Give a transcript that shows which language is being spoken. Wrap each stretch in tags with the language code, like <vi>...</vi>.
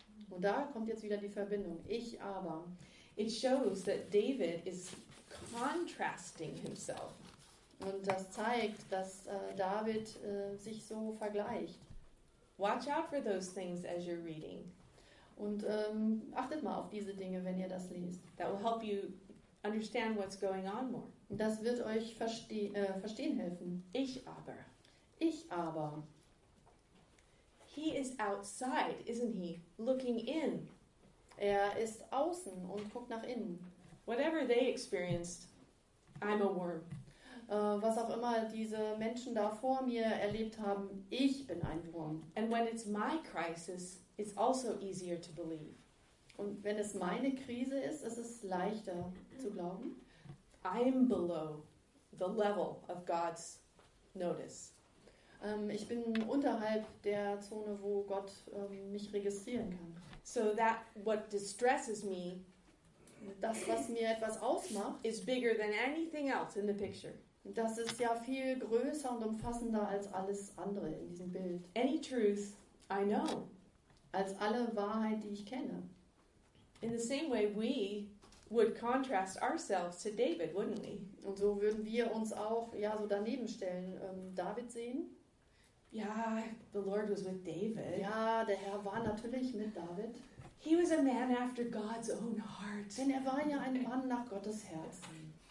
<de>Und da kommt jetzt wieder die Verbindung, ich aber.</de> <en>It shows that David is contrasting himself.</en> <de>Und das zeigt, dass David sich so vergleicht.</de> <en>Watch out for those things as you're reading.</en> <de>Und achtet mal auf diese Dinge, wenn ihr das lest.</de> <en>That will help you understand what's going on more.</en> <de>Das wird euch verstehen helfen. Ich aber. Ich aber.</de> <en>He is outside, isn't he? Looking in.</en> <de>Er ist außen und guckt nach innen.</de> <en>Whatever they experienced, I'm a worm.</en> <de>Was auch immer diese Menschen da vor mir erlebt haben, ich bin ein Wurm.</de> <en>And when it's my crisis, it's also easier to believe.</en> <de>Und wenn es meine Krise ist, ist es leichter zu glauben.</de> <en>I'm below the level of God's notice.</en> <de>Ich bin unterhalb der Zone, wo Gott mich registrieren kann.</de> <en>So that what distresses me,</en> <de>das, was mir etwas ausmacht,</de> <en>is bigger than anything else in the picture.</en> <de>Das ist ja viel größer und umfassender als alles andere in diesem Bild.</de> <en>Any truth I know.</en> <de>Als alle Wahrheit, die ich kenne.</de> <en>In the same way we would contrast ourselves to David, wouldn't we?</en> <de>Und so würden wir uns auch, ja, so daneben stellen, David sehen.</de> <en>Ja, the Lord was with David.</en> <de>Ja, der Herr war natürlich mit David.</de> <en>He was a man after God's own heart.</en> <de>Denn er war ja ein Mann nach Gottes Herzen.</de>